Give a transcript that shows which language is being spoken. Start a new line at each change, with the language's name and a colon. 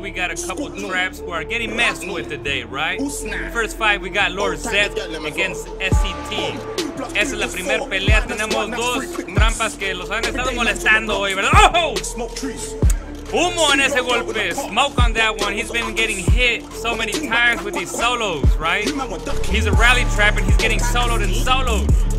English: We got a couple traps who are getting messed with today, right? First fight, we got Lord Zed against SCT.
Spanish: Esa es la primera pelea. Tenemos dos trampas que los han estado molestando hoy, ¿verdad? ¡Oh! Humo en ese golpe.
English: Smoke on that one. He's been getting hit so many times with these solos, right? He's a rally trap and he's getting soloed and soloed.